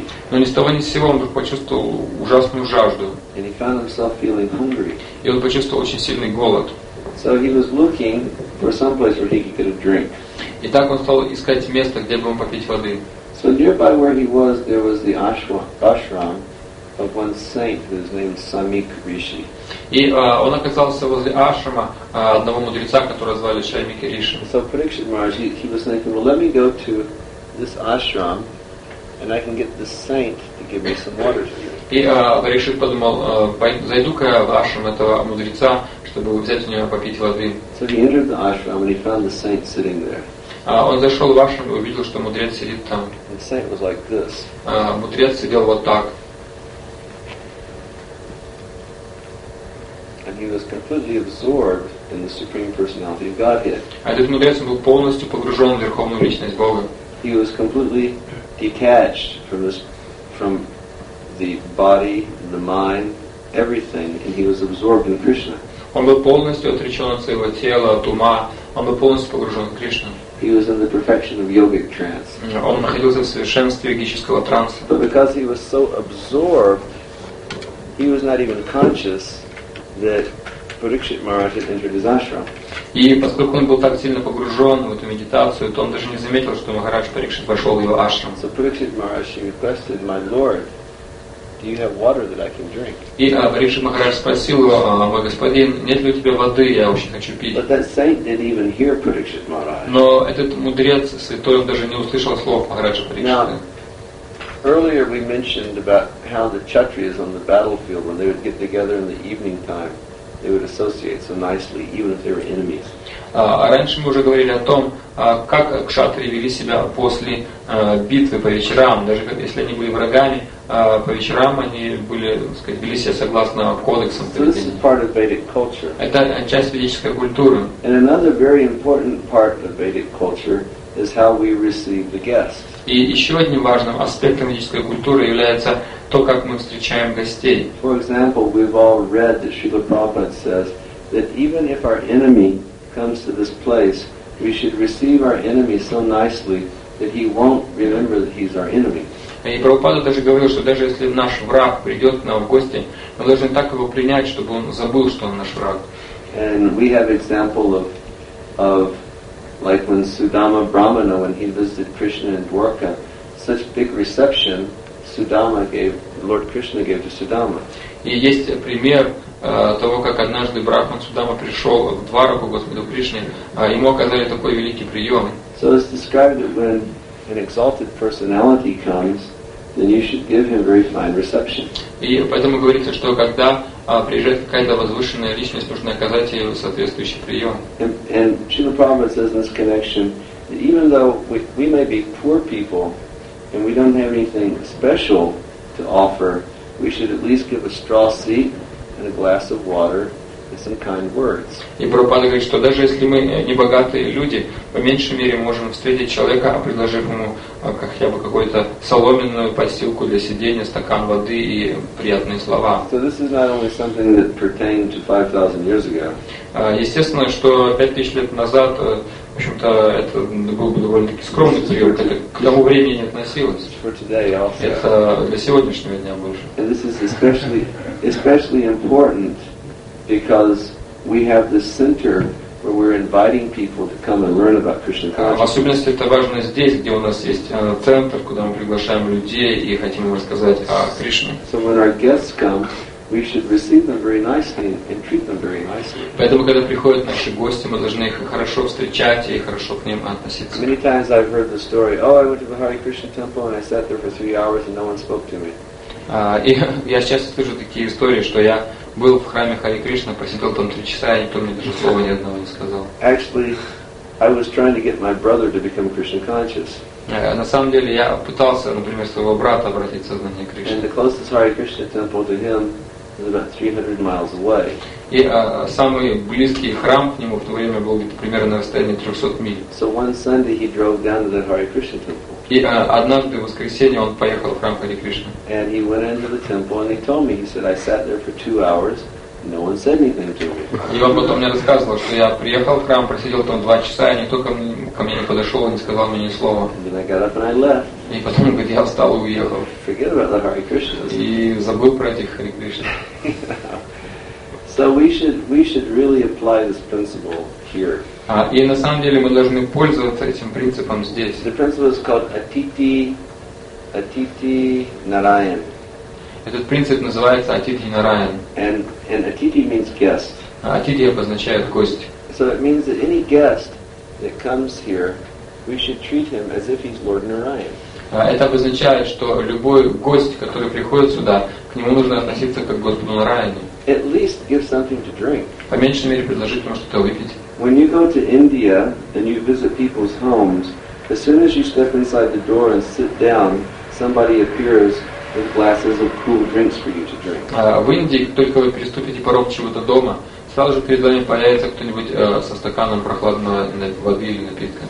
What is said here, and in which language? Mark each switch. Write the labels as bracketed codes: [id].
[ru] Но ни с того ни с сего он вдруг почувствовал ужасную жажду. [en] And he found himself feeling hungry. [ru] И он почувствовал очень сильный голод. [en] So he was looking for some place where he could drink. [ru] И так он стал искать место, где бы ему попить воды. [en] So nearby where he was, there was the ashram of one saint whose name is Samik Rishi. [ru] И он оказался возле ашрама одного мудреца, которого звали Шаймик Риши. [en] So Parikshit Maharaj, he was thinking, well, let me go to this ashram, and I can get this saint to give me some water. [ru] И Парикшит подумал, зайду-ка в ашрам этого мудреца, чтобы взять у него попить воды. [en] So he entered the ashram, and he found the saint sitting there. [ru] Он зашел в ашрам и увидел, что мудрец сидит там. [en] The saint was like this. [ru] Мудрец сидел вот так. [en] And he was completely absorbed in the Supreme Personality of Godhead. [ru] А этот мудрец был полностью погружен в верховную личность Бога. [en] He was completely detached from this, from the body, the mind, everything, and he was absorbed in Krishna. [ru] Он был полностью отречен от своего тела, от ума. Он был полностью погружен в Кришну. [en] He was in the perfection of yogic trance. [ru] Он находился в совершенстве йогического транса. [en] But because he was so absorbed, he was not even conscious that Parikshit Maharaj had entered his ashram. [ru] И поскольку он был так сильно погружен в эту медитацию, то он даже не заметил, что Махарадж Парикшит вошел в его ашрам. [en] So Parikshit Maharaj requested, "My Lord, do you have water that I can drink?" [ru] И Парикшит Махарадж спросил его, "Мой господин, нет ли у тебя воды? Я очень хочу пить." [en] But that saint didn't even hear Parikshit Maharaj. [ru] Но этот мудрец святой даже не услышал слов Махараджа Парикшита. [en] Earlier we mentioned about how the kshatriyas on the battlefield, when they would get together in the evening time, they would associate so nicely, even if they were enemies. [ru] Раньше мы уже говорили о том, как кшатрии вели себя после битвы по вечерам. Даже если они были врагами, по вечерам они были, так сказать, вели себя согласно кодексам. [en] So this is part of Vedic culture. [ru] Это часть ведической культуры. [en] And another very important part of Vedic culture is how we receive the guests. [ru] И еще одним важным аспектом ведической культуры является то, как мы встречаем гостей. [en] For example, we've all read that Srila Prabhupada says that even if our enemy comes to this place, we should receive our enemy so nicely that he won't remember that he's our enemy. [ru] И Прабхупада даже говорил, что даже если наш враг придет к нам в гости, мы должны так его принять, чтобы он забыл, что он наш враг. [en] And we have example of like when Sudama Brahmana, when he visited Krishna in Dwarka, such big reception Sudama gave, Lord Krishna gave to Sudama. [ru] И есть пример, того, как однажды Брахман Судама пришел в Двараку Господу Кришне, ему оказали такой великий прием. [en] So it's described that when an exalted personality comes, then you should give him very fine reception. [ru] И поэтому говорится, что когда приезжает какая-то возвышенная личность, нужно оказать ей соответствующий прием. [en] And Srila Prabhupada says in this connection that even though we may be poor people and we don't have anything special to offer, we should at least give a straw seat and a glass of water and some kind words. [ru] И Прабхупада говорит, что даже если мы не богатые люди, по меньшей мере можем встретить человека, предложив ему хотя бы какую-то соломенную подстилку для сидения, стакан воды и приятные слова. [en] So this is not only something that pertained to 5,000 years ago. [ru] Естественно, что 5,000 лет назад, в общем-то, это был бы довольно-таки скромный период, это к тому времени не относилось. [en] For today also. [ru] Это для сегодняшнего дня больше. [en] And this is especially important because we have this center where we're inviting people to come and learn about Krishna consciousness. [ru] В особенности это важно здесь, где у нас есть центр, куда мы приглашаем людей и хотим им рассказать о Кришне. [en] So when our guests come, we should receive them very nicely and treat them very nicely. [ru] Поэтому, когда приходят наши гости, мы должны их хорошо встречать и хорошо к ним относиться. [en] Many times I've heard the story, oh, I went to the Hare Krishna temple and I sat there for 3 hours and no one spoke to me. [ru] И я часто слышу такие истории, что я был в храме Хари Кришна, посидел там 3 часа, и никто мне даже слова ни одного не сказал. [en] Actually, I was trying to get my brother to become Krishna conscious. [ru] На самом деле, я пытался, например, своего брата обратить в сознание Кришны. [en] And the closest Hare Krishna temple to him is about 300 miles away. [ru] И самый близкий храм к нему в то время был где-то примерно на расстоянии 300 миль. [en] So one Sunday he drove down to the Hare Krishna temple. [ru] И однажды в воскресенье он поехал в храм Хари Кришны. [en] And he went into the temple and he told me, he said, I sat there for 2 hours, no one said anything to me. [ru] И он потом мне рассказывал, что я приехал в храм, просидел там 2 часа, и никто ко мне не подошел и не сказал мне ни слова. [en] And then I got up and I left. [ru] И потом, говорит, я встал и уехал. [en] Forget about the Hare Krishna. [ru] И забыл про этих Хари Кришны. [en] So we should really apply this principle here. [ru] И на самом деле мы должны пользоваться этим принципом здесь. [en] The principle is called Atithi, Atithi Narayan. [ru] Этот принцип называется Atithi Narayan. [en] And Atithi means guest. [ru] Atithi обозначает гость. [en] So it means that any guest that comes here, we should treat him as if he's Lord Narayan. [ru] Это обозначает, что любой гость, который приходит сюда, к нему нужно относиться как к Господу Нараяне. [en] At least give something to drink. [ru] По меньшей мере предложить ему что-то выпить. [en] When you go to India and you visit people's homes, as soon as you step inside the door and sit down, somebody appears with glasses of cool drinks for you to drink. [ru] В Индии, только вы переступите порог чьего-то дома, сразу же перед вами появится кто-нибудь со стаканом прохладной воды или напитка.